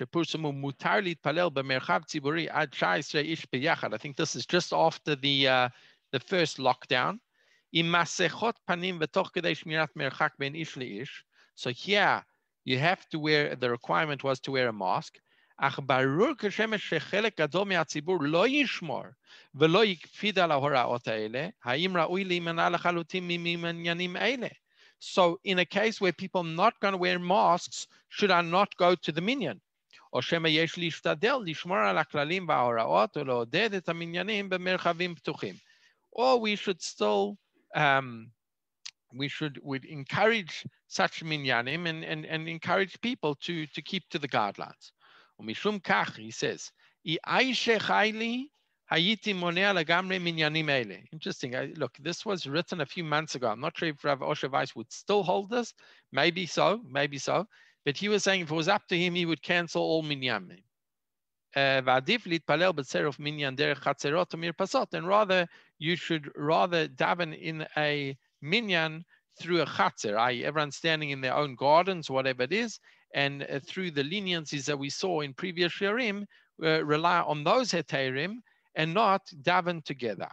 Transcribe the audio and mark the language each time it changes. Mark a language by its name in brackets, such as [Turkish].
[English] I think this is just after the first lockdown. So here, you have to wear, the requirement was to wear a mask. [Hebrew] אך ברור כשמש שחלק גדול מהציבור לא ישמור ולא יקפיד על ההוראות האלה, האם ראוי להימנע לחלוטין ממניינים אלה? [English] So in a case where people are not going to wear masks, should I not go to the minyan? [Hebrew] או שמה יש להשתדל לשמור על הכללים וההוראות ולעודד את המניינים במרחבים פתוחים. [English] Or we should still, we'd encourage such minyanim and encourage people to keep to the guidelines. [Hebrew] ומשום כך, [English] he says, [Hebrew] אי שחי לי, הייתי מונע לגמרי מניינים אלה. [English] Interesting. Look, this was written a few months ago. I'm not sure if Rav Osher Weiss would still hold this. Maybe so, maybe so. But he was saying if it was up to him, he would cancel all minyanim. [Hebrew] ועדיף להתפלל בצירוף מניין דרך חצרות ומרפסות. [English] And rather, you should rather daven in a minyan through a chatzer, i.e. everyone standing in their own gardens, whatever it is, and through the leniencies that we saw in previous shiurim, rely on those heterim and not daven together.